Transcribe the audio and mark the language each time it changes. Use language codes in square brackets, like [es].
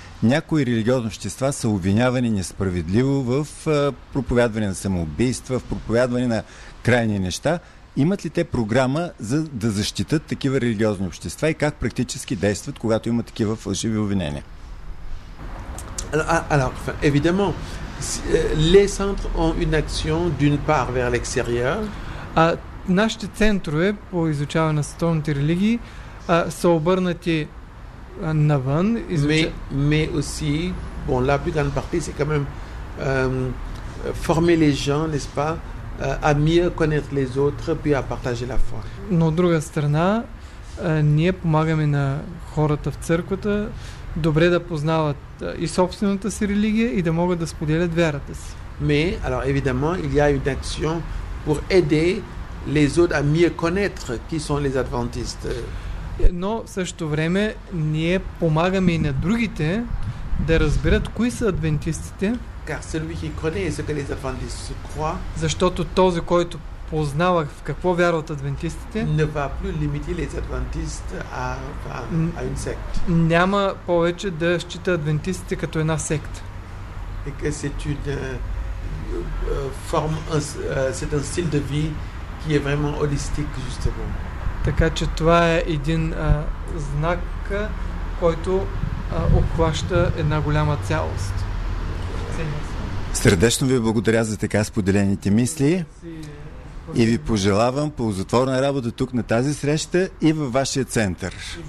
[bg] някои религиозни общества са обвинявани несправедливо в проповядване на самоубийства, в проповядване на крайни неща. Имат ли те програма за да защитат такива религиозни общества и как практически действат, когато има такива фалшиви обвинения? [fr] Alors, évidemment, les centres ont une action d'une part vers l'extérieur. [bg] Нашите центрове по изучаване на световните религии са обърнати навън. [fr] Mais aussi, bon, la plus grande partie, c'est quand même former les gens, n'est-ce pas, à mieux connaître les autres, puis à partager la foi. [bg] Но от друга страна, ние помагаме на хората в църквата добре да познават и собствената си религия и да могат да споделят вярата си. [fr] Mais, alors, évidemment, il y a une action pour aider les autres à mieux connaître qui sont les adventistes. [bg] Но в същото време ние помагаме и на другите да разберат кои са адвентистите. [fr] Car celui qui connaît ce que les adventistes croient, [bg] защото този, който познава в какво вярват адвентистите, [fr] ne va plus limiter les adventistes à une secte. [bg] Няма повече да счита адвентистите като една секта. [fr] Et que c'est une forme, c'est un style de vie qui est vraiment holistique, justement. [bg] Така че това е един знак, който обхваща една голяма цялост. Сърдечно ви благодаря за така споделените мисли и ви пожелавам ползотворна работа тук на тази среща и във вашия център.